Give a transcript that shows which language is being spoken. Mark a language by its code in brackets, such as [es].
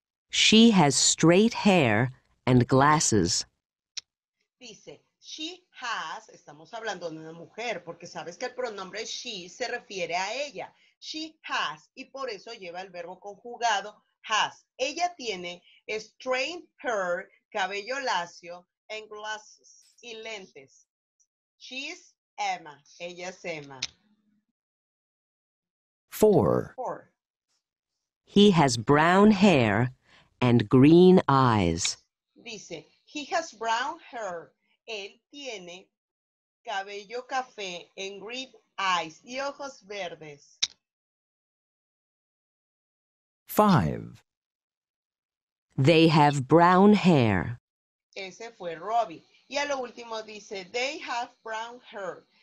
[en] She has straight hair and glasses. [es] Dice, [en] she has, [es] estamos hablando de una mujer, porque sabes que el pronombre she se refiere a ella. [en] She has, [es] y por eso lleva el verbo conjugado has. Ella tiene [en] straight hair, [es] cabello lacio, [en] and glasses [es] y lentes. [en] She's Emma. [es] Ella es Emma. 4. [en] Four. He has brown hair and green eyes. Dice, he has brown hair. [es] Él tiene cabello café [en] and green eyes [es] y ojos verdes. 5. [en] They have brown hair. [es] Ese fue Robbie. Y a lo último dice, [en] they have brown hair.